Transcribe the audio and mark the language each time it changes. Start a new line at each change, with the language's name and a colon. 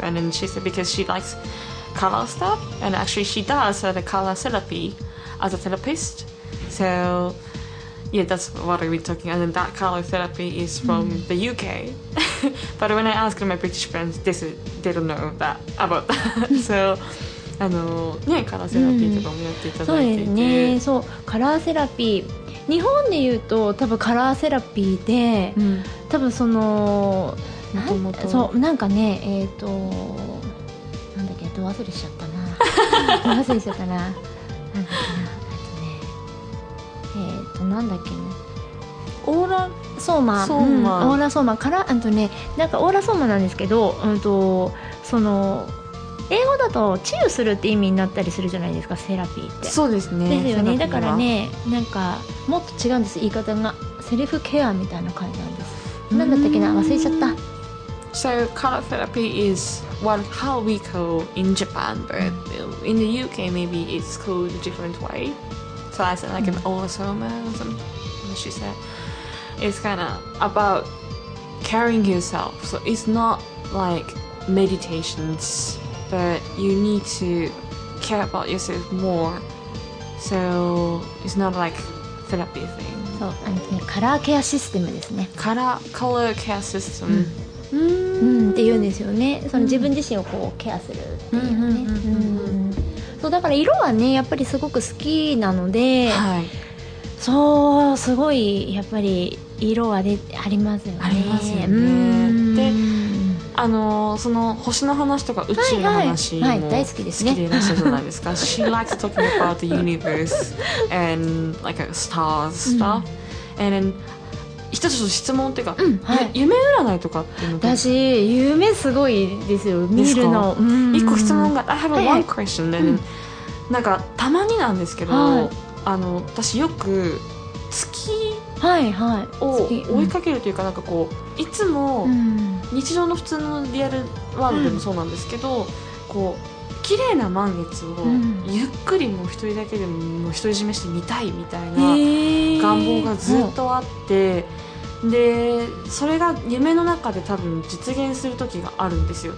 English: And then she said because she likes color stuff. And actually she does the color therapy as a therapist. So yeah, that's what we're talking about. And then that color therapy is from the UK. But when I asked my British friends, they don't know that about that. So...
Japanese: あのね、カラーセラピーとかもやっていただいていて、うん、そうですね、そうカラーセラピー日本で言うと多分カラーセラピーで、うん、多分そのもともとそうなんかねなんだっけど忘れしちゃったな忘れしちゃったな何だっけ なんだっけねオーラソーマ、ソーマ、うん、オーラソーマカラーあとねなんかオーラソーマなんですけどその英語だと治癒するって意味になったりするじゃないですかセラピーってそうですねですよねだからねなんかもっと違うんです言い方がセルフケアみたいな感じなんです何だったっけな忘れちゃった
English: So color therapy is what how we call in Japan but in the UK maybe it's called a different way So I said like an autosoma or something she said It's kind of about caring yourself So it's not like meditationsBut you need to care about yourself more. So it's not like therapy thing.
Japanese: そう、あのね、カラーケアシステムですね。カラーケアシステム。うん。うん。って言うんですよね。その自分自身をこうケアするっていうね。そう、だから色はね、やっぱりすごく好きなので、はい、そう、すごいやっぱり色はでありますよね。ありますよね。うん。で、あのその星の話とか宇宙の話も好きでいらっしゃるじゃないですか。
English: She likes talking about the universe and like stars stuff. And then,
Japanese: 一つ質問っていうか、うんはい、夢占いとかっていうの私夢すごいですよ見るの。一個質問が、
English: I have one question. And then,、
Japanese: うん、なんかたまになんですけど、はい、あの私よく月はいはい、を追いかけるというか、うん、なんかこういつも日常の普通のリアルワールドでもそうなんですけど、うん、こう綺麗な満月をゆっくりもう一人だけでも一人占めして見たいみたいな願望がずっとあって、でそれが夢の中で多分実現する時があるんですよ、